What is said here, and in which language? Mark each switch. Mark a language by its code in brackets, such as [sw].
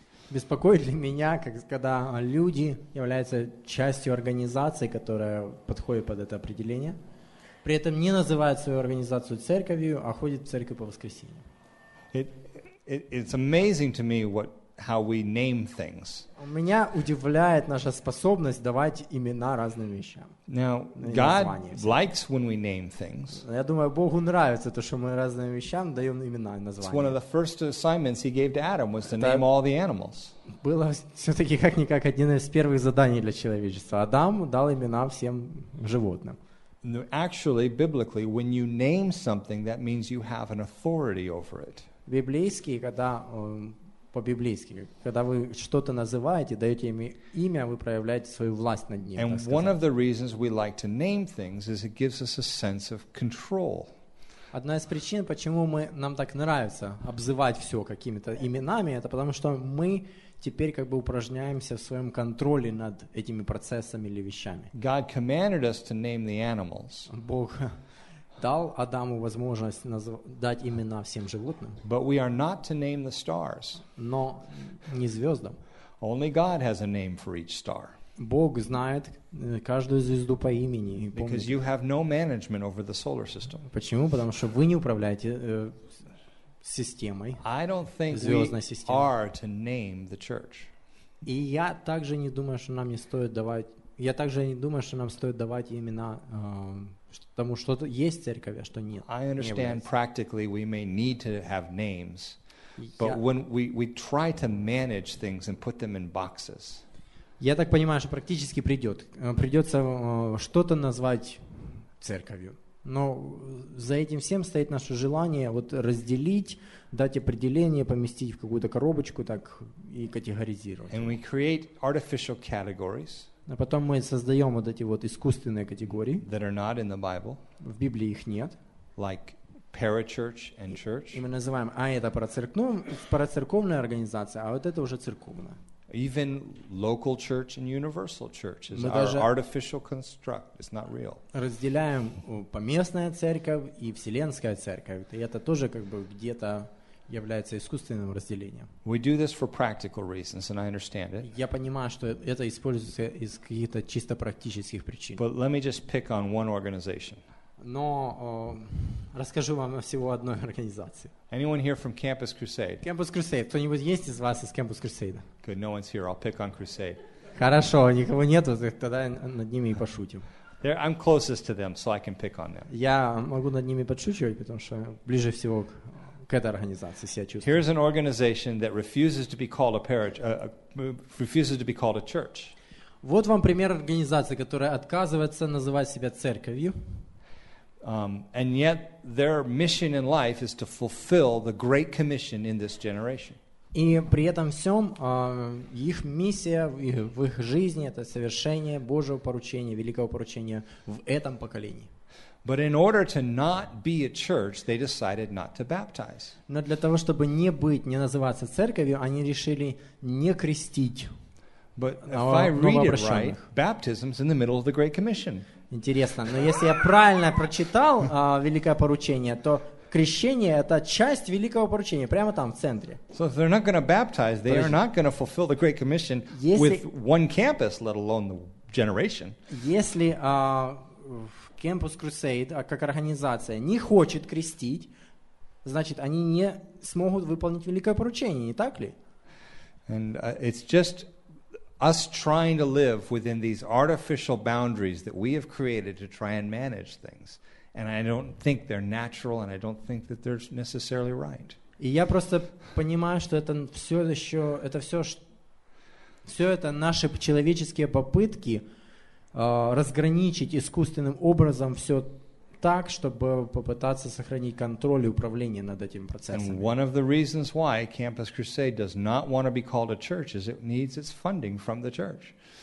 [ru] Беспокоит ли меня, когда люди являются частью организации, которая подходит под это определение? При этом не называют свою организацию церковью, а ходит в церковь по воскресеньям. [en] It's amazing to me how we name things. [ru] Меня удивляет наша способность давать имена разным вещам. [en] Now, God likes when we name things. [ru] Я думаю, Богу нравится то, что мы разным вещам даем имена и названия. [en] It's one of the first assignments he gave to Adam was to name all the animals. [ru] Было все-таки как-никак одно из первых заданий для человечества. Адам дал имена всем животным. [en] Actually, biblically, when you name something, that means you have an authority over it. [ru] Библейски, когда по-библейски, когда вы что-то называете, даете имя, вы проявляете свою власть над ним. [en] And one of the reasons we like to name things is it gives us a sense of control. [ru] Одна из причин, почему нам так нравится обзывать все какими-то именами, это потому что мы теперь как бы упражняемся в своем контроле над этими процессами или вещами. [en] God commanded us to name the animals. [ru] Бог дал Адаму возможность дать имена всем животным. [en] But we are not to name the stars. [ru] Но не звездам. [en] Only God has a name for each star. [ru] Бог знает каждую звезду по имени. [en] Because you have no management over the solar system. [ru] Почему? Потому что вы не управляете системой. [en] I don't think we are to name the church. [ru] И я также не думаю, что нам не стоит давать. Я также не думаю, что нам стоит давать имена тому, что есть церковь, а что нет. [en] I understand practically we may need to have names, but when we try to manage things and put them in boxes. [ru] Я так понимаю, что практически придется что-то назвать церковью. Но за этим всем стоит наше желание вот разделить, дать определение, поместить в какую-то коробочку так и категоризировать. [en] And we create artificial categories. [ru] А потом мы создаем вот эти вот искусственные категории. [en] That are not in the Bible. [ru] В Библии их нет. [en] Like parachurch and church. [ru] И мы называем, а это парацерковная организация, а вот это уже церковная. [en] Even local church and universal church is our artificial construct. It's not real. [ru] Разделяем поместная церковь и вселенская церковь. И это тоже как бы где-то является искусственным разделением. [en] We do this for practical reasons, and I understand it. [ru] Я понимаю, что это используется из каких-то чисто практических причин. [en] But let me just pick on one organization. [ru] Но расскажу вам всего одной организации. [en] Anyone here from Campus Crusade? Campus Crusade. [ru] Кто-нибудь есть из вас из Campus Crusade? [en] Good, no one's here. I'll pick on Crusade. [ru] Хорошо, никого нету, тогда над ними и пошутим. [en] I'm closest to them, so I can pick on them. [ru] Я могу над ними подшучивать, потому что ближе всего к этой организации себя чувствую. [en] Here's an organization that refuses to be called a parish, refuses to be called a church. [ru] Вот вам пример организации, которая отказывается называть себя церковью. [en] And yet their mission in life is to fulfill the great commission in this generation. [ru] И при этом всем их миссия в их жизни это совершение Божьего поручения, великого поручения в этом поколении. [en] But in order to not be a church, they decided not to baptize. [ru] Но для того, чтобы не быть, не называться церковью, они решили не крестить. [en] But if I read it right, baptism's in the middle of the great commission. [ru] Интересно, но если я правильно прочитал великое поручение, то крещение это часть великого поручения, прямо там в центре. [en] So if they're not going to baptize, they are not going to fulfill the great commission with one campus, let alone the generation. [ru] Если Campus Crusade как организация не хочет крестить, значит они не смогут выполнить великое поручение, не так ли? [en] And it's just us trying to live within these artificial boundaries that we have created to try and manage things. And I don't think they're natural, and I don't think that they're necessarily right. [ru] И я просто понимаю, что это все еще, это все, все это наши человеческие попытки разграничить искусственным образом все так, чтобы попытаться сохранить контроль и управление над этим процессом. [en] And one of the reasons why Campus Crusade does not want to be called a church is it needs its funding from the church.